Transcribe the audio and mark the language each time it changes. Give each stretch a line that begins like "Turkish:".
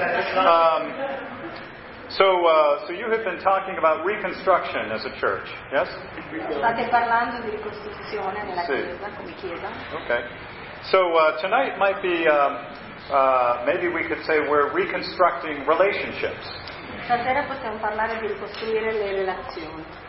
English: So you have been talking about reconstruction as a church, yes?
Italian: State parlando di ricostruzione nella chiesa, come chiesa.
English: Okay. So tonight might be maybe we could say we're reconstructing relationships.
Italian: Stasera possiamo parlare di ricostruire le relazioni.